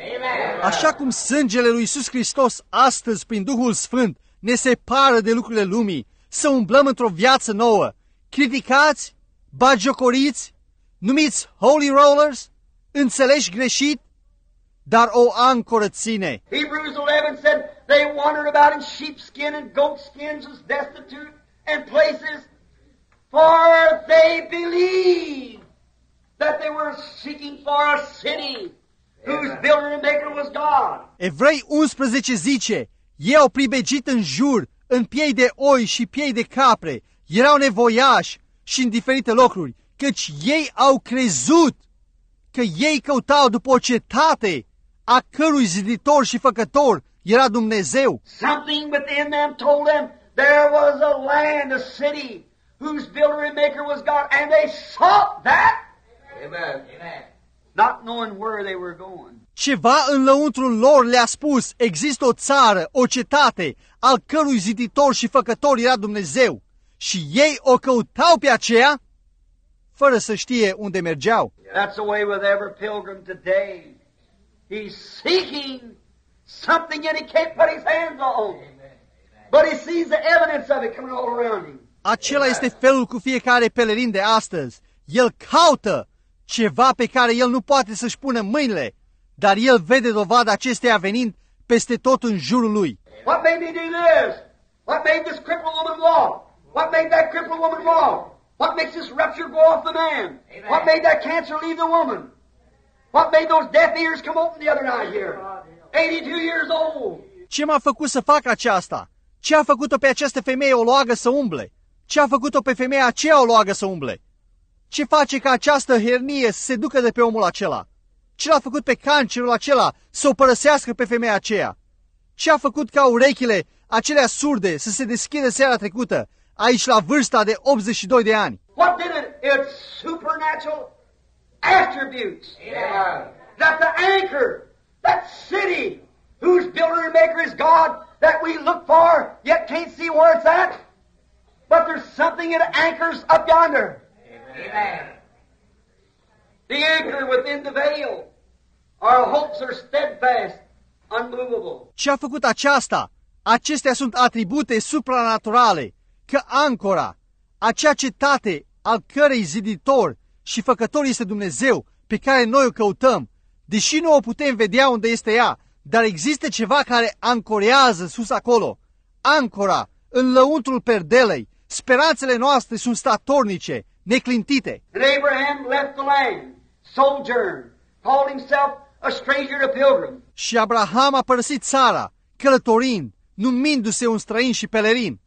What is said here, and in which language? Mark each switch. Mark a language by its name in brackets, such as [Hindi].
[English] Amen. [Romanian] Așa cum sângele lui Iisus Hristos astăzi, prin Duhul Sfânt, ne separă de lucrurile lumii, să umblăm într-o viață nouă, criticați, bagiocoriți, numiți [English] holy rollers, [Romanian] înțeleși greșit, dar o ancoră ține. [English] Hebrews 11 said they wandered about in sheepskin and goatskins, was destitute and places. For they believed that they were seeking for a city whose builder and maker was God. [Romanian] Evrei 11 zice, ei au pribegit în jur, în piei de oi și piei de capre, erau nevoiași și în diferite locuri, căci ei au crezut că ei căutau după o cetate a cărui ziditor și făcător era Dumnezeu. [English] Something within them told them there was a land, a city, whose builder and maker was God, and they sought that. Amen. not knowing where they were going. [Romanian] Ceva în lăuntrul lor le-a spus, există o țară, o cetate, al cărui ziditor și făcător era Dumnezeu. Și ei o căutau pe aceea, fără să știe unde mergeau. [English] That's the way with every pilgrim today. He's seeking something that he can't put his hands on. But he sees the evidence of it coming all around him. [Romanian] Acela este felul cu fiecare pelerin de astăzi. El caută ceva pe care el nu poate să-și pună mâinile, dar el vede dovada acesteia venind peste tot în jurul lui. [English] What made me do this? What made this crippled woman walk? What made that crippled woman walk? What makes this rupture go off the man? What made that cancer leave the woman? What made those deaf ears come open the other night here? 82 years old. [Romanian] Ce m-a făcut să fac aceasta? Ce a făcut-o pe această femeie o luagă să umble? Ce a făcut-o pe femeia aceea o luagă să umble? Ce face ca această hernie să se ducă de pe omul acela? Ce l-a făcut pe cancerul acela să o părăsească pe femeia aceea? Ce a făcut ca urechile acelea surde să se deschidă seara trecută, aici la vârsta de 82 de ani? [English] What did it? It's supernatural attributes. Yeah. That the anchor, that city, whose builder and maker is God, that we look for, yet can't see where it's at. But there's something that anchors up yonder. Amen. The anchor within the veil. Our hopes are steadfast, unmovable. [Romanian] Ce a făcut aceasta? Acestea sunt atribute supranaturale. Că ancora, acea cetate al cărei ziditor și făcător este Dumnezeu, pe care noi o căutăm, deși nu o putem vedea unde este ea, dar există ceva care ancorează sus acolo. Ancora, în lăuntrul perdelei, speranțele noastre sunt statornice, neclintite. [English] And Abraham left the land, sojourned, called himself a stranger, a pilgrim. [Romanian] Și Abraham a părăsit țara, călătorind, numindu-se un străin și pelerin.